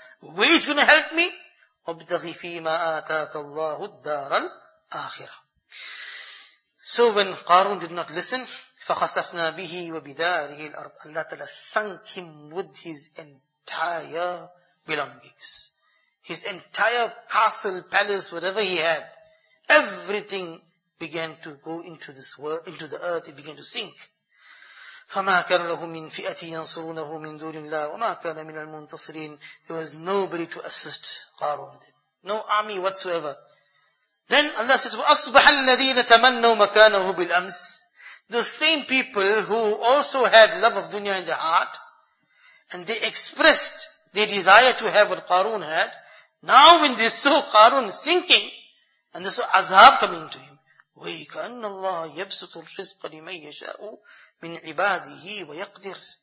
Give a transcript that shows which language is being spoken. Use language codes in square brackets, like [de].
[en] Where is going to help me? [ar] وَبْتَغِ فِي مَا آتَاكَ اللَّهُ الدَّارَ الْآخِرَةِ [en] So when Qarun did not listen, [ar] فَخَسَفْنَا بِهِ وَبِدَارِهِ الْأَرْضِ [en] Allah Ta'ala sunk him with his entire belongings. His entire castle, palace, whatever he had, everything began to go into this world, into the earth, it began to sink. [ar] فَمَا كَانَ لَهُ مِنْ فِئَةٍ يَنْصُرُونَهُ مِنْ دُونِ اللَّهِ وَمَا كَانَ مِنَ الْمُنْتَصِرِينَ [en] There was nobody to assist Qarun. No army whatsoever. Then Allah says, [ar] وَأَصْبَحَ الَّذِينَ تَمَنَّوا مَكَانَهُ بِالْأَمْسِ [en] Those same people who also had love of dunya in their heart, and they expressed their desire to have what Qarun had, now when they saw Qarun sinking, and they saw azab coming to him, [ar] وَيْكَأَنَّ اللَّهَ يَبْسُطُ الرِّزْقَ لِمَنْ يَشَاءُ مِنْ عِبَادِهِ وَيَقْدِرُ